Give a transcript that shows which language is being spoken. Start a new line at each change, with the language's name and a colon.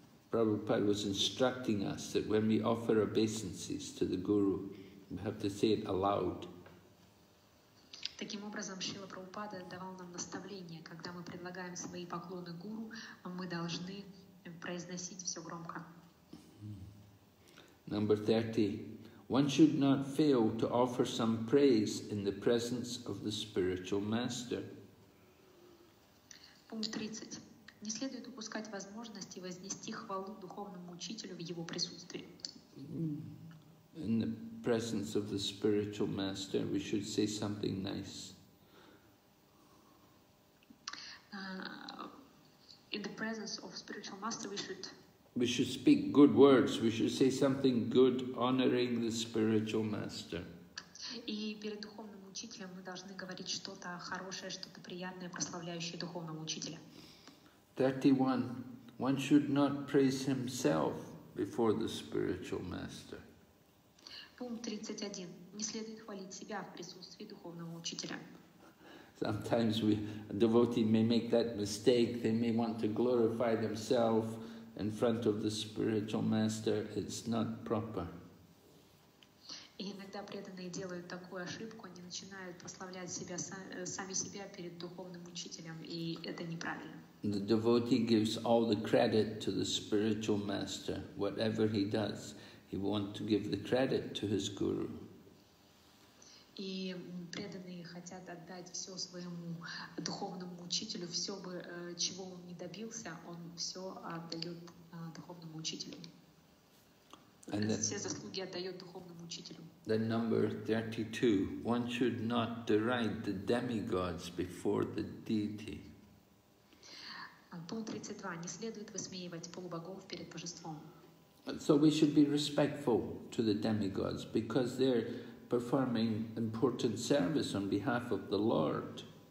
English: Prabhupada was instructing us that when we offer obeisances to the Guru, we have to say it aloud.
Russian: Таким образом, Шрила Прабхупада давал нам наставление, когда мы предлагаем свои поклоны Гуру, мы должны произносить все громко.
English: Number 30. One should not fail to offer some praise in the presence of the spiritual master.
Russian: Пункт 30. Не следует упускать возможности вознести хвалу духовному учителю в его присутствии.
English: In the presence of the spiritual master, we should say something nice. In the presence of spiritual master, we should speak good words. We should say something good, honoring the spiritual master.
Russian: И перед духовным учителем мы должны говорить что-то хорошее, что-то приятное, прославляющее духовного учителя.
English: 31. One should not praise himself before the spiritual master.
Russian: Пункт 31. Не следует хвалить себя в присутствии духовного учителя.
English: Sometimes a devotee may make that mistake. They may want to glorify themselves in front of the spiritual master. It's not proper.
Russian: И иногда преданные делают такую ошибку. Они начинают прославлять себя сами себя перед духовным учителем, и это неправильно.
English: The devotee gives all the credit to the spiritual master, whatever he does. He want to give the credit to his guru.
Russian: И преданные хотят отдать все своему духовному учителю, все бы чего он не добился, он все отдает духовному учителю.
English: And
Russian: все заслуги отдает духовному учителю.
English: Then number 32. One should not deride the demigods before the deity.
Russian: Пункт 32. Не следует высмеивать полубогов перед божеством.
English: So we should be respectful to the demigods because they're performing important service on behalf of the Lord.